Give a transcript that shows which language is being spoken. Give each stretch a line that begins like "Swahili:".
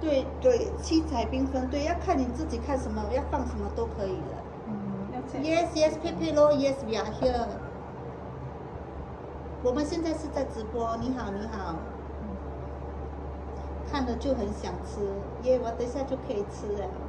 Chinese: 对对，七彩缤纷，对，要看你自己看什么，要放什么都可以的。 Mm-hmm.
English: Yes, yes, Pepe Lo, yes, we are here.
Chinese: 我们现在是在直播，你好你好，看了就很想吃耶，我等一下就可以吃了。